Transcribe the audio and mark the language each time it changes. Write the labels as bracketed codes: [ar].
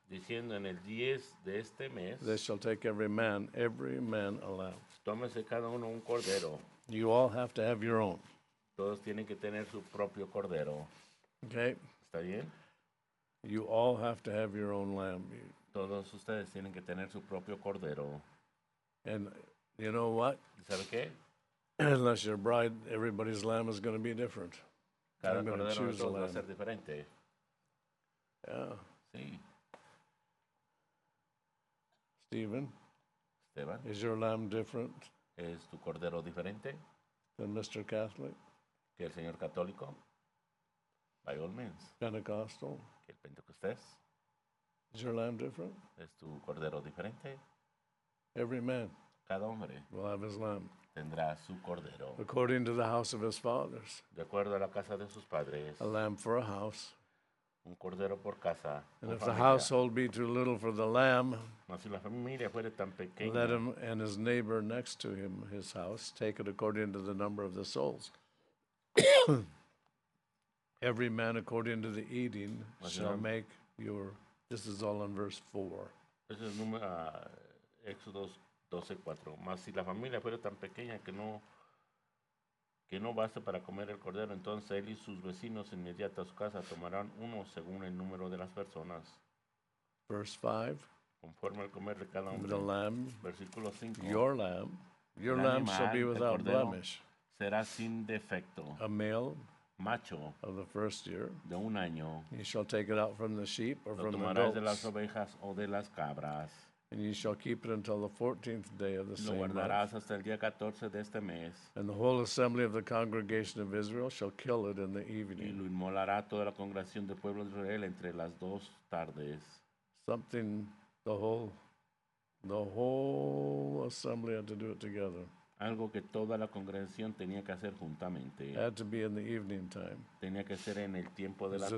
[es] Diciendo en el 10 de este mes. [en] They shall take every man a lamb. [es] Tómese cada uno un cordero. [en] You all have to have your own. [es] Todos tienen que tener su propio cordero. [en] Okay. [es] ¿Está bien? [en] You all have to have your own lamb. [es] Todos ustedes tienen que tener su propio cordero. [en] And you know what? [es] ¿Sabe qué? [en] Unless you're a bride, everybody's lamb is going to be different. [es] Cada [en] I'm going to choose a lamb. [es] Va a ser diferente. [en] Yeah. [es] Sí. [en] Stephen? [es] Esteban? [en] Is your lamb different? [es] ¿Es tu cordero diferente? [en] Than Mr. Catholic? [es] ¿Que el señor católico? [en] By all means. Pentecostal? [es] ¿Que el pentecostés? [en] Is your lamb different? [es] ¿Es tu cordero diferente? [en] Every man [es] cada hombre [en] will have his lamb. [es] Tendrá su cordero. [en] According to the house of his fathers. [es] De acuerdo a la casa de sus padres. [en] A lamb for a house. [es] Un cordero por casa. [en] And if the household be too little for the lamb, [es] si la familia fuere tan pequeña, [en] let him and his neighbor next to him, his house, take it according to the number of the souls. Every man according to the eating shall make your... This is all in verse 4. [es] Este es número... Éxodos 12:4. Mas si la familia fuera tan pequeña que no baste para comer el cordero, entonces él y sus vecinos inmediato a su casa tomarán uno según el número de las personas. [en] Verse 5. [es] Conforme al comer de cada hombre. [en] The lamb. [es] Versículo 5. [en] Your lamb shall be without blemish. [es] Será sin defecto. [en] A male. [es] Macho. [en] Of the first year. [es] De un año. [en] He shall take it out from the sheep or from the goats. [es] Lo tomarás de las ovejas o de las cabras. [en] And you shall keep it until the 14th day of the same month. [es] Lo guardarás hasta el día 14 de este mes. [en] And the whole assembly of the congregation of Israel shall kill it in the evening. [es] Y lo inmolará toda la congregación del pueblo de Israel entre las dos tardes. [en] Something the whole assembly had to do it together. [es] Algo que toda la congregación tenía que hacer juntamente. [en] Had to be in the evening time. [es] Tenía que ser en el tiempo de la tarde.